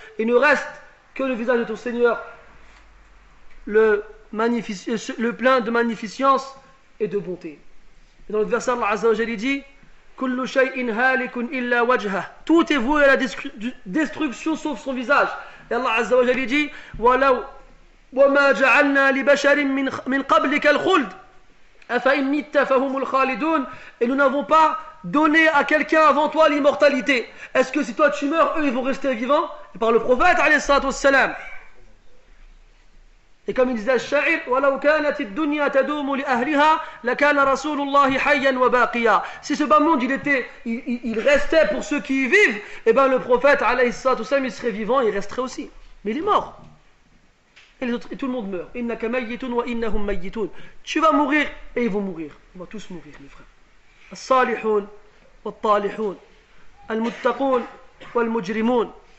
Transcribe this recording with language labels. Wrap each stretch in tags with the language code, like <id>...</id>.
<fr>Il ne reste que le visage de ton Seigneur, le plein de magnificence et de bonté. Et dans le verset Allah azza wa jalla dit,</fr> <ar>kullu shay'in halikun illa wajha.</ar> <fr>Tout est voué à la destruction sauf son visage. Et Allah azza wa jalla dit,</fr> <ar>walaw وما جعلنا لبشر من قبلك الخلد أفإن مت فهم الخالدون.</ar> <fr>Et nous n'avons pas donné à quelqu'un avant toi l'immortalité. Est-ce que si toi tu meurs, eux ils vont rester vivants? Et par le prophète عليه الصلاة والسلام. Et comme il disait le</fr> <ar>شاعر, ولو كانت الدنيا تدوم لأهلها لكان رسول الله حيا وباقيا.</ar> <fr>Si ce bas monde il restait pour ceux qui y vivent, et ben le prophète عليه الصلاة والسلام il serait vivant, il resterait aussi. Mais il est mort. Et les autres, et tout le monde meurt.</fr> <ar>Innaka mayyitun wa innahum mayyitun.</ar> <fr>Tu vas mourir et ils vont mourir. On va tous mourir, mes frères.</fr> <ar>As-salihun wa at-talihun. Al-muttaqun wa al-mujrimun.</ar>